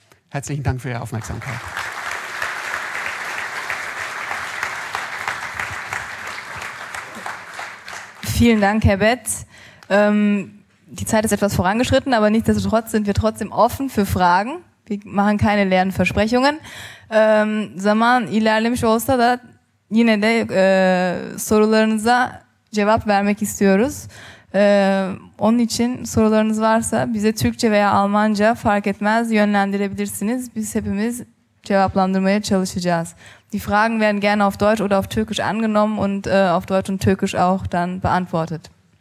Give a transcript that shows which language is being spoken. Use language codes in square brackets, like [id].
[de] Herzlichen Dank für Ihre Aufmerksamkeit. Vielen Dank, Herr Betz. Die Zeit ist etwas vorangeschritten, aber nichtsdestotrotz sind wir trotzdem offen für Fragen. Wir machen keine leeren Versprechungen. [tr] Zaman ilerlemiş olsa da yine de sorularınıza cevap vermek istiyoruz. Onun için sorularınız varsa bize Türkçe veya Almanca fark etmez yönlendirebilirsiniz. Biz hepimiz cevaplandırmaya çalışacağız. [de] Die Fragen werden gerne auf Deutsch oder auf Türkisch angenommen und auf Deutsch und Türkisch auch dann beantwortet.